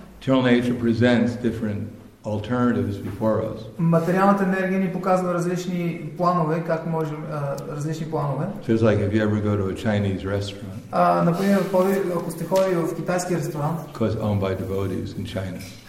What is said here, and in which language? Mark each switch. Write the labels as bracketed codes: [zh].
[en] Material nature presents different alternatives before us. [bg] Материалната енергия ни показва различни планове, как можем различни планове. [en] Feels like if you ever go to a Chinese restaurant. [bg] Например, ако сте ходили в китайски ресторант. [en] Because owned by devotees in China.